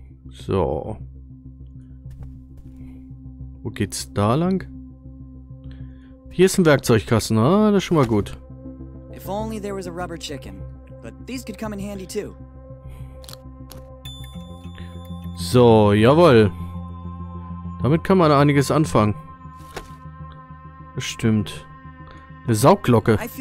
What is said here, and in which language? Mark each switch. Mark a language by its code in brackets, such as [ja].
[de] So. Wo geht's da lang? Hier ist ein Werkzeugkasten, ah, das ist schon mal gut. [en] If only there was a rubber chicken, but these could come in handy too. [de] So, jawohl. Damit kann man einiges anfangen. Bestimmt. Eine Saugglocke.